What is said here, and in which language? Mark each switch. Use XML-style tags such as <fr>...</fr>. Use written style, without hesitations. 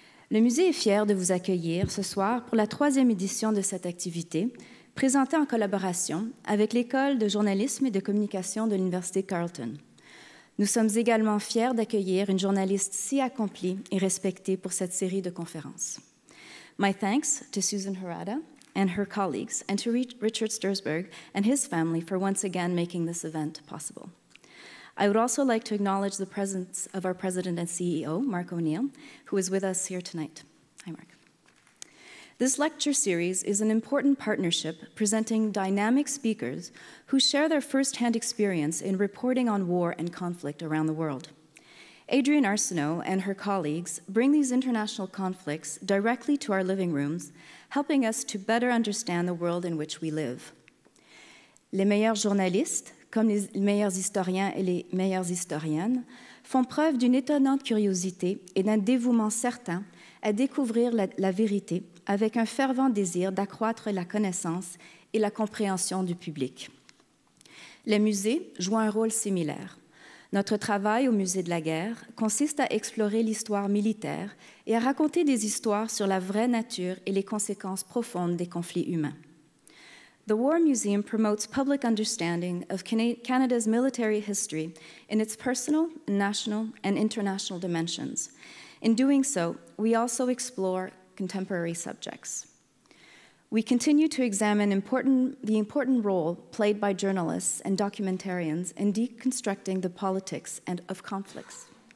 <fr>Le musée est fier de vous accueillir ce soir pour la troisième édition de cette activité, présentée en collaboration avec l'École de journalisme et de communication de l'Université Carleton. Nous sommes également fiers d'accueillir une journaliste si accomplie et respectée pour cette série de conférences.</fr> <en>My thanks to Susan Harada and her colleagues, and to Richard Stursgberg and his family for once again making this event possible. I would also like to acknowledge the presence of our president and CEO, Mark O'Neill, who is with us here tonight. Hi, Mark. This lecture series is an important partnership presenting dynamic speakers who share their firsthand experience in reporting on war and conflict around the world. Adrian Arsenault and her colleagues bring these international conflicts directly to our living rooms, helping us to better understand the world in which we live.</en> <fr>Les meilleurs journalistes, comme les meilleurs historiens et les meilleures historiennes, font preuve d'une étonnante curiosité et d'un dévouement certain à découvrir la vérité avec un fervent désir d'accroître la connaissance et la compréhension du public. Les musées jouent un rôle similaire. Notre travail au Musée de la guerre consiste à explorer l'histoire militaire et à raconter des histoires sur la vraie nature et les conséquences profondes des conflits humains.</fr> <en>The War Museum promotes public understanding of Canada's military history in its personal, national, and international dimensions. In doing so, we also explore contemporary subjects. We continue to examine the important role played by journalists and documentarians in deconstructing the politics and of conflicts.</en>